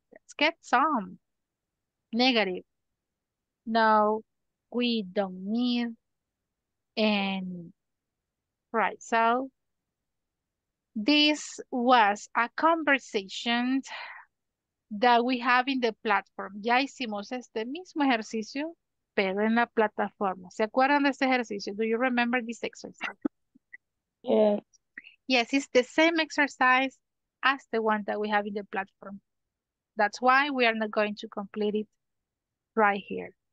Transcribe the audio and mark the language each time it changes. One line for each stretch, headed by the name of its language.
English: Let's get some. Negative. No. We don't need any. Right. So, this was a conversation that we have in the platform.
Spanish: Ya hicimos este mismo ejercicio, pero en la plataforma. ¿Se acuerdan de este ejercicio?
English: Do you remember this exercise? Yes, it's the same exercise as the one that we have in the platform. That's why we are not going to complete it right here.